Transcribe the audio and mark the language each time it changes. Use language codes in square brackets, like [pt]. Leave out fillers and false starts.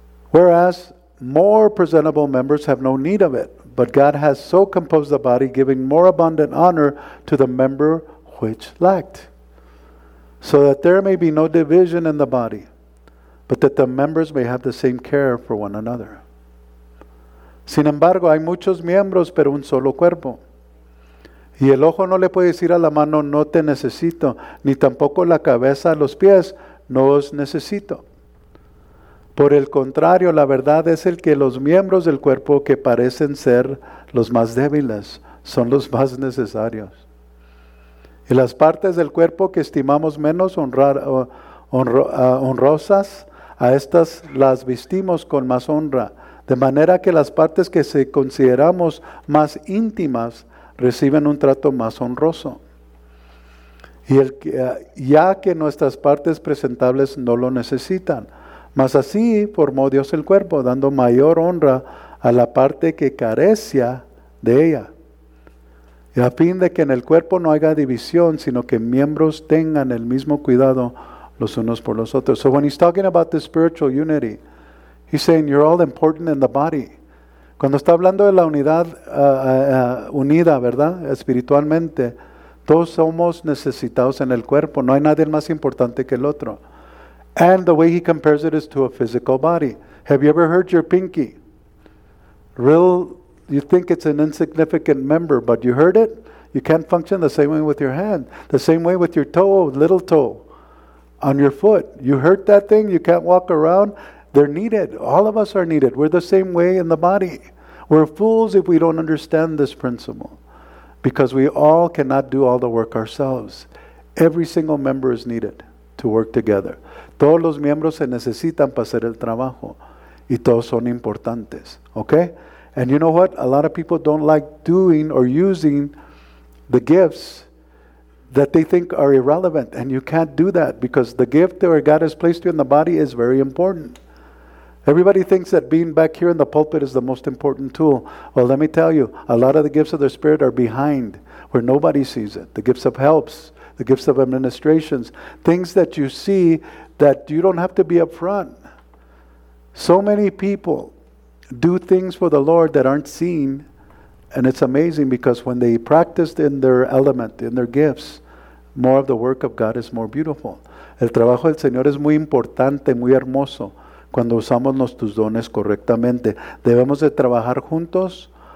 [en] Whereas more presentable members have no need of it, but God has so composed the body, giving more abundant honor to the member which lacked, so that there may be no division in the body, but that the members may have the same care for one another. [es] Sin embargo, hay muchos miembros, pero un solo cuerpo. Y el ojo no le puede decir a la mano, no te necesito, ni tampoco la cabeza a los pies, no os necesito. Por el contrario, la verdad es el que los miembros del cuerpo que parecen ser los más débiles son los más necesarios. Y las partes del cuerpo que estimamos menos honrosas, a estas las vestimos con más honra, de manera que las partes que se consideramos más íntimas reciben un trato más honroso. Y el que, ya que nuestras partes presentables no lo necesitan, mas así formó Dios el cuerpo, dando mayor honra a la parte que carecía de ella. Y a fin de que en el cuerpo no haya división, sino que miembros tengan el mismo cuidado los unos por los otros. [en] So when he's talking about the spiritual unity, he's saying you're all important in the body. [es] Cuando está hablando de la unidad unida, ¿verdad? Espiritualmente, todos somos necesitados en el cuerpo. No hay nadie más importante que el otro. [en] And the way he compares it is to a physical body. Have you ever heard your pinky? Real, you think it's an insignificant member, but you heard it? You can't function the same way with your hand. The same way with your toe, little toe, on your foot. You hurt that thing, you can't walk around. They're needed. All of us are needed. We're the same way in the body. We're fools if we don't understand this principle. Because we all cannot do all the work ourselves. Every single member is needed to work together. [es] Todos los miembros se necesitan para hacer el trabajo. Y todos son importantes. [en] Okay? And you know what? A lot of people don't like doing or using the gifts that they think are irrelevant. And you can't do that because the gift that God has placed you in the body is very important. Everybody thinks that being back here in the pulpit is the most important tool. Well, let me tell you, a lot of the gifts of the Spirit are behind where nobody sees it. The gifts of helps, the gifts of administrations, things that you see that you don't have to be up front. So many people do things for the Lord that aren't seen, and it's amazing because when they practice in their element, in their gifts, more of the work of God is more beautiful. [es] El trabajo del Señor es muy importante, muy hermoso, cuando usamos nuestros dones correctamente. Debemos de trabajar juntos